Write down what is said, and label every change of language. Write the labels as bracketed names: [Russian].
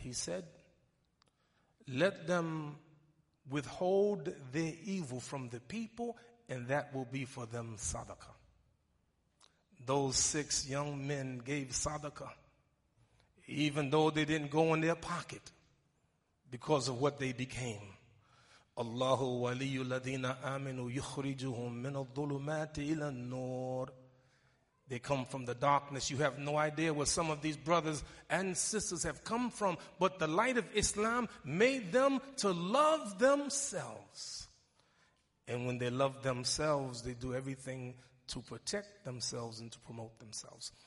[English] He said, let them withhold their evil from the people, and that will be for them sadaqah. Those six young men gave sadaqah, even though they didn't go in their pocket because of what they became. [Arabic] الله ولي الذين آمنوا يخرجهم من الظلمات إلى النور. [English] They come from the darkness. You have no idea where some of these brothers and sisters have come from, but the light of Islam made them to love themselves. And when they love themselves, they do everything to protect themselves and to promote themselves.